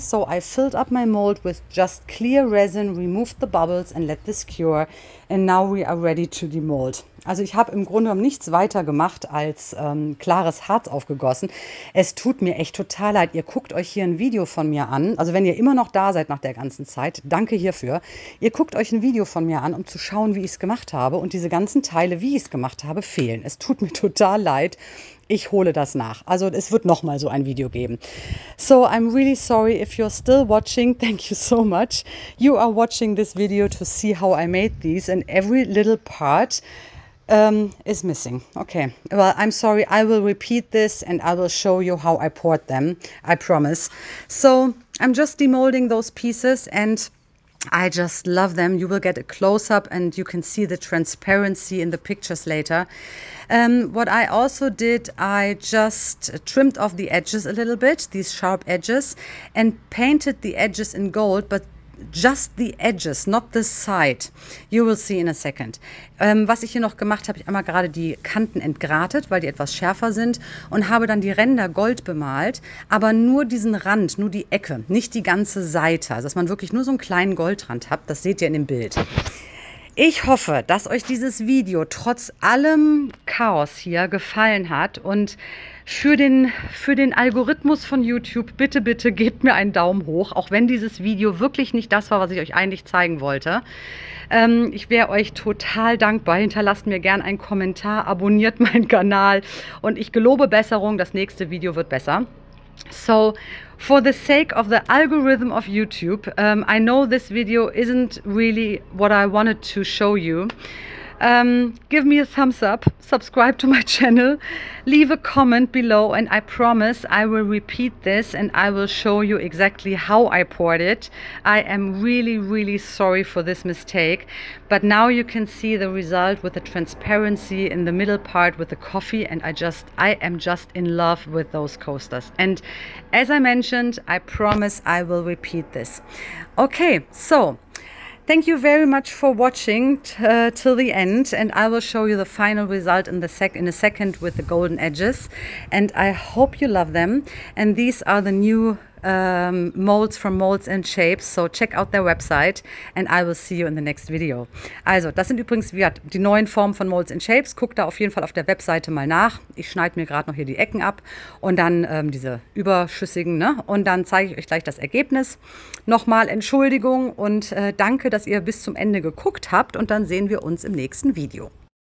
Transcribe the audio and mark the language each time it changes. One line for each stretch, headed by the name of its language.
English: So I filled up my mold with just clear resin, removed the bubbles and let this cure. And now we are ready to demold.
German: Also ich habe im Grunde genommen nichts weiter gemacht als klares Harz aufgegossen. Es tut mir echt total leid. Ihr guckt euch hier ein Video von mir an. Also wenn ihr immer noch da seid nach der ganzen Zeit, danke hierfür. Ihr guckt euch ein Video von mir an, um zu schauen, wie ich es gemacht habe. Und diese ganzen Teile, wie ich es gemacht habe, fehlen. Es tut mir total leid. Ich hole das nach. Also es wird noch mal so ein Video geben.
English: So, I'm really sorry if you're still watching. Thank you so much. You are watching this video to see how I made these and every little part is missing. Okay, well, I'm sorry. I will repeat this and I will show you how I poured them. I promise. So I'm just demolding those pieces and I just love them. You will get a close-up and you can see the transparency in the pictures later. What I also did, I just trimmed off the edges a little bit, these sharp edges, and painted the edges in gold, but just the edges, not the side. You will see in a second.
German: Was ich hier noch gemacht habe, ich einmal gerade die Kanten entgratet, weil die etwas schärfer sind und habe dann die Ränder gold bemalt, aber nur diesen Rand, nur die Ecke, nicht die ganze Seite, also dass man wirklich nur so einen kleinen Goldrand hat, das seht ihr in dem Bild. Ich hoffe, dass euch dieses Video trotz allem Chaos hier gefallen hat und für den Algorithmus von YouTube, bitte, bitte gebt mir einen Daumen hoch, auch wenn dieses Video wirklich nicht das war, was ich euch eigentlich zeigen wollte. Ich wäre euch total dankbar. Hinterlasst mir gern einen Kommentar, abonniert meinen Kanal und ich gelobe Besserung, das nächste Video wird besser.
English: So, for the sake of the algorithm of YouTube, I know this video isn't really what I wanted to show you. Give me a thumbs up, subscribe to my channel, leave a comment below and I promise I will repeat this and I will show you exactly how I poured it. I am really, really sorry for this mistake, but now you can see the result with the transparency in the middle part with the coffee and I am just in love with those coasters. And as I mentioned, I promise I will repeat this. Okay, so thank you very much for watching till the end and I will show you the final result in a second with the golden edges and I hope you love them and these are the new molds from Molds and Shapes, so check out their website and I will see you in the next video.
German: Also, das sind übrigens die neuen Formen von Molds and Shapes, guckt da auf jeden Fall auf der Webseite mal nach. Ich schneide mir gerade noch hier die Ecken ab und dann diese überschüssigen, ne? Und dann zeige ich euch gleich das Ergebnis. Nochmal Entschuldigung und danke, dass ihr bis zum Ende geguckt habt und dann sehen wir uns im nächsten Video.